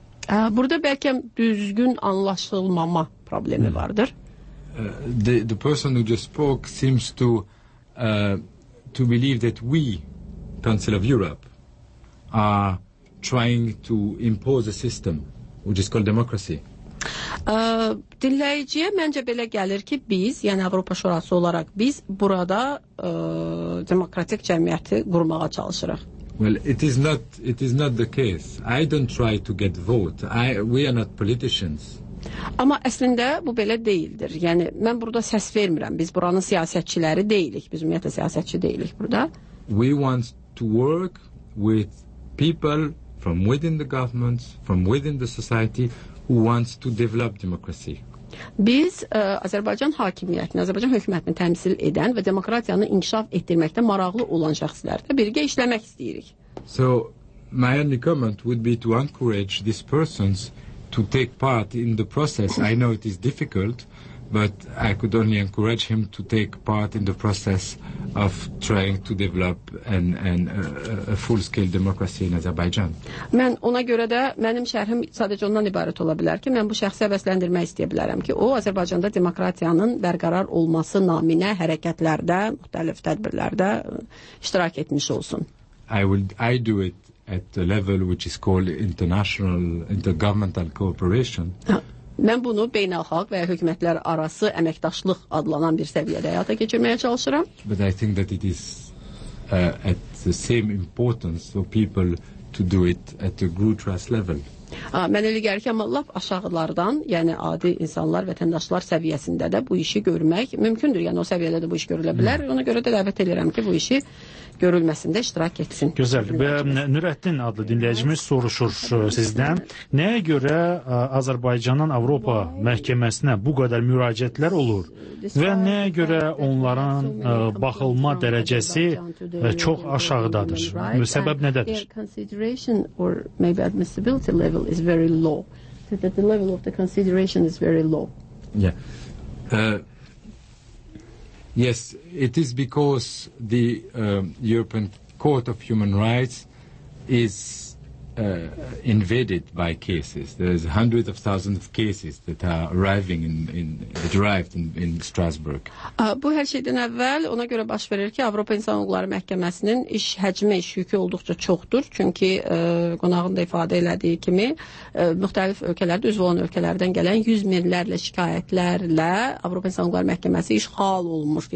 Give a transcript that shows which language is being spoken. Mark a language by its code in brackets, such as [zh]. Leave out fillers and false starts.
[az] Burada bəlkə düzgün anlaşılmama problemi vardır. [en] The person who just spoke seems to believe that we, Council of Europe, are trying to impose a system which is called democracy. [az] Dinləyiciyə məncə belə gəlir ki, biz, yəni Avropa Şurası olaraq, biz burada demokratik cəmiyyəti qurmağa çalışırıq. [en] Well, it is not the case. I don't try to get vote. We are not politicians. [az] Amma əslində bu belə deyildir. Yəni mən burada səs vermirəm. Biz buranın siyasətçiləri deyilik. Biz ümumiyyətlə siyasətçi deyilik burada. [en] We want to work with people from within the governments, from within the society who wants to develop democracy. [az] Biz Azərbaycan hakimiyyətini, Azərbaycan hökumətini təmsil edən və demokratiyanı inkişaf etdirməkdə maraqlı olan şəxslərlə birgə işləmək istəyirik. [en] So my only comment would be to encourage these persons to take part in the process. I know it is difficult, but I could only encourage him to take part in the process of trying to develop a full-scale democracy in Azerbaijan. [az] Mən ona görə də mənim şərhim sadəcə ondan ibarət ola bilər ki, mən bu şəxsi həvəsləndirmək istəyə bilərəm ki, o Azərbaycanda demokratiyanın bərqərar olması naminə hərəkətlərdə, müxtəlif tədbirlərdə iştirak etmiş olsun. [en] I do it at the level which is called international intergovernmental cooperation. [az] Mən bunu beynəlxalq və ya hökumətlər arası əməkdaşlıq adlanan bir səviyyədə həyata keçirməyə çalışıram. [en] But I think that it is at the same importance for people to do it at the grassroots level. [az] Mən elə gəlir ki, amma lap aşağılardan, yəni adi insanlar, vətəndaşlar səviyyəsində də bu işi görmək mümkündür. Yəni o səviyyədə də bu iş görülə bilər. Ona görə də dəvət edirəm ki, bu işi görülməsində iştirak etsin. Gözəl. Nürəddin adlı dinləyicimiz soruşur sizdən. Nəyə görə Azərbaycanın Avropa məhkəməsinə bu qədər müraciətlər olur və nəyə görə onların baxılma dərəcəsi çox aşağıdadır? Səbəb nədədir? [en] Consideration or maybe admissibility level is very low. The level of the consideration is very low. Yes, it is because the European Court of Human Rights is invaded by cases. There is hundreds of thousands of cases that are arriving in Strasbourg. [az] Bu hər şeydən əvvəl ona görə baş verir ki, Avropa İnsan Hüquqları Məhkəməsinin iş həcmi, iş yükü olduqca çoxdur. Çünki qonağın da ifadə elədiyi kimi, müxtəlif ölkələrdə, üzv olan ölkələrdən gələn yüz minlərlə şikayətlərlə Avropa İnsan Hüquqları Məhkəməsi iş hal olunmuş.